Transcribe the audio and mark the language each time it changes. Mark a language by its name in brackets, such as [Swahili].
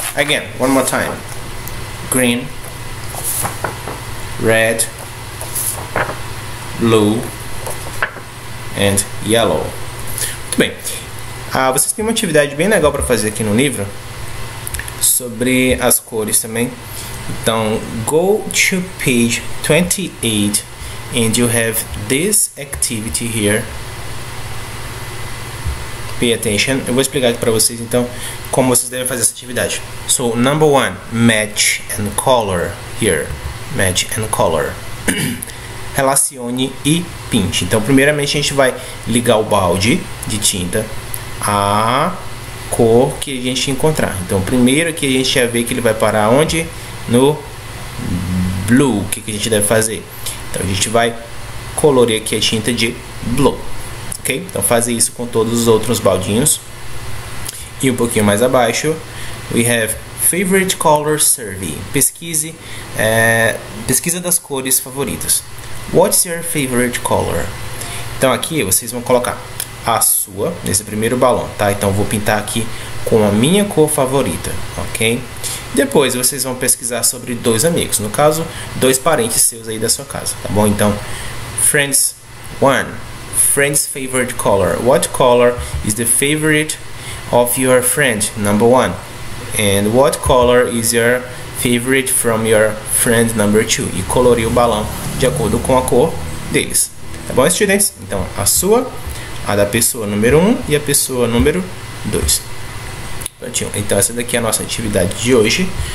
[English] Again, one more time. Green, red, blue, and yellow. [Portuguese] Muito bem. Vocês têm uma atividade bem legal para fazer aqui no livro sobre as cores também. [English] Então, go to page 28 and you have this activity here. Pay attention. [Portuguese] Eu vou explicar aqui para vocês, então, como vocês devem fazer essa atividade. [English] So, number one, match and color here. Match and color. [Portuguese] Relacione e pinte. Então, primeiramente, a gente vai ligar o balde de tinta à cor que a gente encontrar. Então, primeiro que a gente já vê que ele vai parar onde? No blue. O que a gente deve fazer? Então, a gente vai colorir aqui a tinta de blue. Ok? Então, fazer isso com todos os outros baldinhos. E um pouquinho mais abaixo, [English] we have favorite color survey. [Portuguese] Pesquise, pesquisa das cores favoritas. [English] What's your favorite color? [Portuguese] Então, aqui vocês vão colocar a sua, nesse primeiro balão, tá? Então, vou pintar aqui com a minha cor favorita, ok? Depois, vocês vão pesquisar sobre dois amigos. No caso, dois parentes seus aí da sua casa, tá bom? [English] Então, friends one. Friend's favorite color. What color is the favorite of your friend? Number one. And what color is your favorite from your friend? Number two. [Portuguese] E colorir o balão de acordo com a cor deles. Tá bom, students? Então, a sua, a da pessoa número um e a pessoa número dois. Prontinho. Então, essa daqui é a nossa atividade de hoje.